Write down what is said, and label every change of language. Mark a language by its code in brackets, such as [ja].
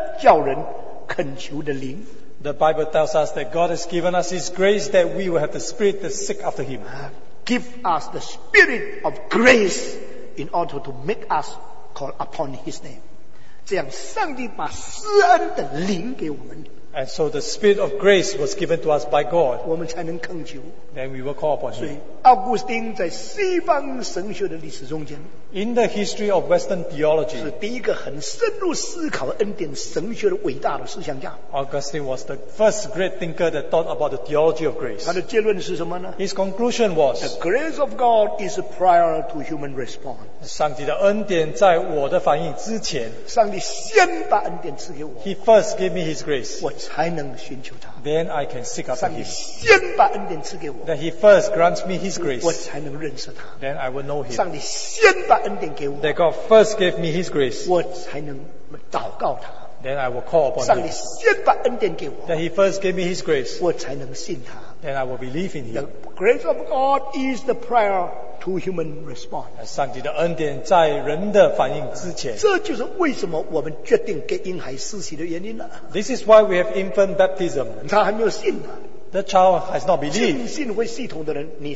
[zh] 圣经说上帝赐下施恩叫人恳求的灵。 [en] The Bible tells us that God has given us his grace that we will have the spirit to seek after him. Give us the spirit of grace in order to make us call upon his name. [zh] 这样上帝把施恩的灵给我们。 [en] And so the spirit of grace was given to us by God. [zh] 我们才能恳求。 [en] Then we will call upon him. [zh] 所以奥古斯丁在西方神学的历史中间， [en] In the history of Western theology, [zh] 是第一个很深入思考恩典神学的伟大的思想家。 [en] Augustine was the first great thinker that thought about the theology of grace. [zh] 他的结论是什么呢？ [en] His conclusion was, the grace of God is prior to human response. [zh] 上帝的恩典在我的反应之前，上帝先把恩典赐给我， [en] He first gave me his grace. [zh] 我才能寻求他。 [en] Then I can seek after him. [zh] 上帝先把恩典赐给我， [en] That he first grants me his grace. [zh] 我才能认识他。 [en] Then I will know him. [zh] 上帝先把恩典给我， [en] That God first gave me his grace. [zh] 我才能祷告他。 [en] Then I will call upon him. [zh] 上帝先把恩典给我， [en] That he first gave me his grace. [zh] 我才能信他。 [en] Then I will believe in him. The grace of God is the prior to human response. [zh] 上帝的恩典在人的反应之前。这就是为什么我们决定给婴孩施洗的原因了。 [en] This is why we have infant baptism. [zh] 他还没有信呢。 [en] The child has not believed.